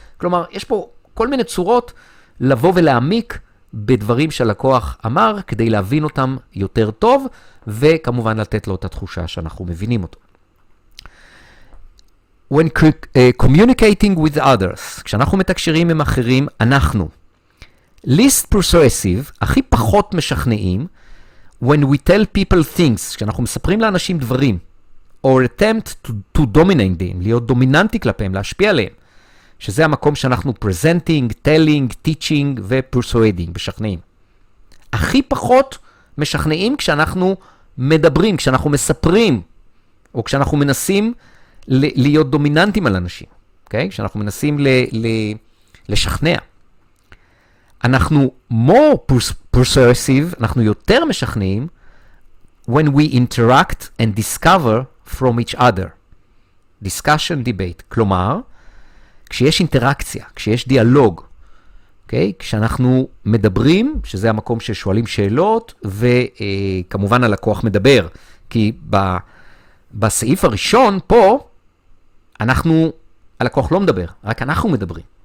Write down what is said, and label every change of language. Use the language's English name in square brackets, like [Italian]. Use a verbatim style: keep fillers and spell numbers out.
[Hebrew] כלומר, יש פה כל מיני צורות לבוא ולהעמיק בדברים שהלקוח אמר, כדי להבין אותם יותר טוב, וכמובן לתת לו את התחושה שאנחנו מבינים אותו. [English] When communicating with others, [Hebrew] כשאנחנו מתקשרים עם אחרים, אנחנו. [English] Least persuasive, [Hebrew] הכי פחות משכנעים, [English] when we tell people things, [Hebrew] כשאנחנו מספרים לאנשים דברים, [English] or attempt to, to dominate them, [Hebrew] להיות דומיננטי כלפיהם, להשפיע עליהם. שזה המקום שאנחנו [English] presenting, telling, teaching [Hebrew] ו-persuading, משכנעים. הכי פחות משכנעים כשאנחנו מדברים, כשאנחנו מספרים, או כשאנחנו מנסים ל- להיות דומיננטים על אנשים, okay? כשאנחנו מנסים ל- ל- לשכנע. [English] אנחנו more persuasive, [Hebrew] אנחנו יותר משכנעים, [English] when we interact and discover from each other. discussion, debate. [Hebrew] כלומר, כשיש אינטראקציה, כשיש דיאלוג, אוקיי? כשאנחנו מדברים, שזה המקום ששואלים שאלות, וכמובן הלקוח מדבר, כי בסעיף הראשון, פה, אנחנו, הלקוח לא מדבר, רק אנחנו מדברים.